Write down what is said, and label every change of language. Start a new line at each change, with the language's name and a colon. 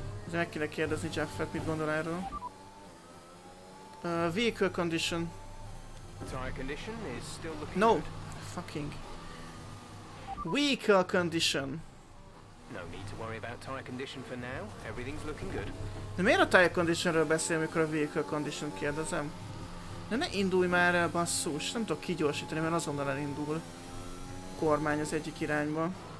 Hungarian: De meg kéne kérdezni Jeffet, mit gondol erről.
English: Vehicle condition. Tire condition is still looking no. good. No! Fucking. Vehicle condition. No need to worry about tire condition for now. Everything's looking good.
Hungarian: De miért a tire conditionről beszél, amikor a vehicle condition kérdezem? De ne indulj már el, basszus. Nem tudok kigyorsítani, mert azonnal elindul. A kormány az egyik irányba.